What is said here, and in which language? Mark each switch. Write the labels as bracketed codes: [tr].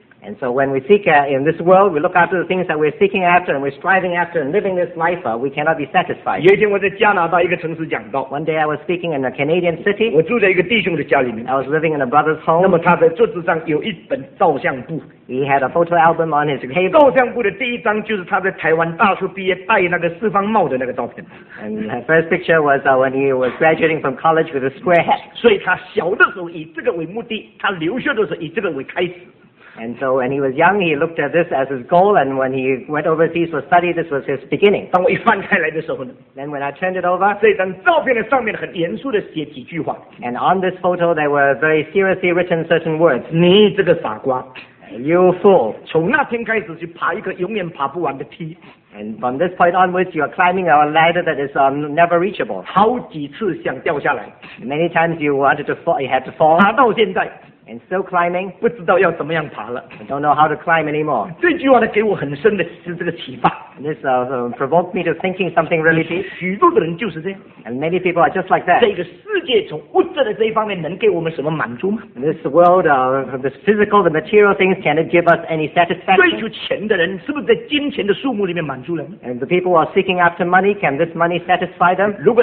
[en] And so when we seek in this world, we look after the things that we're seeking after and we're striving after and living this life, we cannot be satisfied. [zh] 有一天我在加拿大一个城市讲道。 [en] One day I was speaking in a Canadian city. [zh] 我住在一个弟兄的家里面。 [en] I was living in a brother's home. [zh] 那么他在桌子上有一本照相簿。 [en] He had a photo album on his table. [zh] 照相簿的第一张就是他在台湾大学毕业戴那个四方帽的那个照片。 [en] And the first picture was when he was graduating from college with a square hat. [zh] 所以他小的时候以这个为目的，他留学的时候以这个为开始。 [en] And so when he was young, he looked at this as his goal, and when he went overseas for study, this was his beginning. [zh] 当我一翻开来的时候呢, [en] then when I turned it over, [zh] 这张照片的上面很严肃地写几句话, [en] and on this photo, there were very seriously written certain words. [zh] 你这个傻瓜, [en] you fool. [zh] 从那天开始去爬一个永远爬不完的梯, [en] and from this point onwards, you are climbing a ladder that is never reachable. [zh] 好几次想掉下来, [en] many times you wanted to fall, you had to fall. [zh] 爬到现在, [en] and still climbing, [zh] 不知道要怎么样爬了。 [en] I don't know how to climb anymore. [zh] 这句话呢给我很深的这个启发。 [en] This provoked me to thinking something really deep. [zh] 许多的人就是这样。 [en] And many people are just like that. [zh] 这个世界从物质的这一方面能给我们什么满足吗？ [en] This world, the physical, the material things, can it give us any satisfaction? [zh] 追求钱的人是不是在金钱的数目里面满足人？ [en] And the people who are seeking after money, can this money satisfy them?